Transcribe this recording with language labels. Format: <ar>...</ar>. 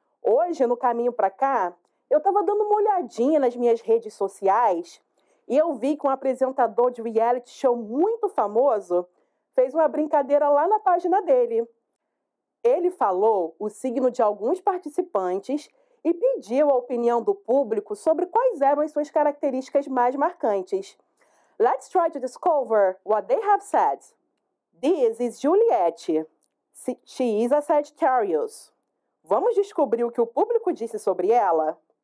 <pt>Hoje, no caminho para cá, eu estava dando uma olhadinha nas minhas redes sociais e eu vi que um apresentador de reality show muito famoso fez uma brincadeira lá na página dele. Ele falou o signo de alguns participantes e pediu a opinião do público sobre quais eram as suas características mais marcantes.</pt> <en>Let's try to discover what they have said. This is Juliet. She is a Sagittarius.</en> <pt>Vamos descobrir o que o público disse sobre ela?</pt>